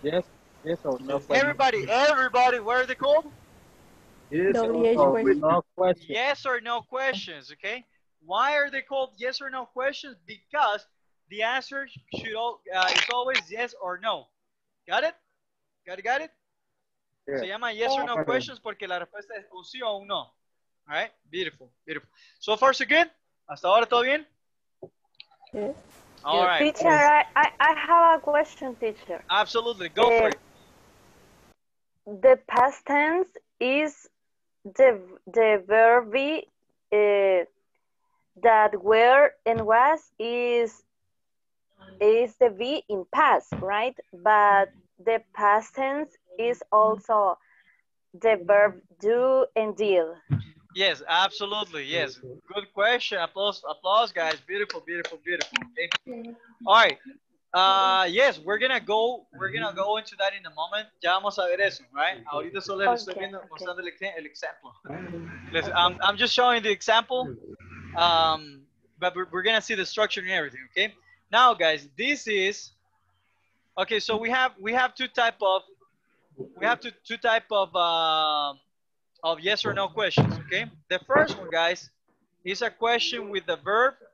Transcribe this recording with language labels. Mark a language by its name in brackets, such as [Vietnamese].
[English] Yes. Yes or no questions. Everybody, what are they called? Yes or no questions, okay? Why are they called yes or no questions? Because the answer should is always yes or no. Got it? Got it? [Spanish] Yeah. Se llama [English] yes or no questions [Spanish] porque la respuesta es un sí o un no. [English] All right? Beautiful. So far, so good? [Spanish] ¿Hasta ahora todo bien? [English] Yes. All right. Teacher, I have a question, teacher. Absolutely. Go for it. The past tense is the verb be that were and was is the be in past, right? But the past tense is also the verb do and deal. Yes, absolutely. Yes. Good question. Applause, guys. Beautiful. Okay. All right. Yes, we're gonna go into that in a moment. [Spanish] Ya vamos a ver eso, [English] right? [Spanish] Ahorita solo les estoy viendo, mostrando el ejemplo. [English] I'm just showing the example. But we're gonna see the structure and everything, okay? Now, guys, this is okay. So we have two type of yes or no questions, okay? The first one, guys, is a question with the verb.